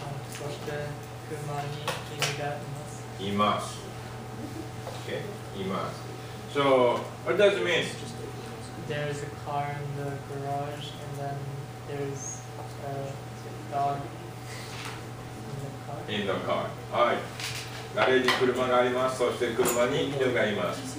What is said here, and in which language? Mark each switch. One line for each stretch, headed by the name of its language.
Japanese: そして車に君がいます。います。
English: Okay. います。So what does it mean? There is a car in the garage, and then there is a dog. In the car.
Japanese: はい。ガレージに車があります。そして車に犬がいます。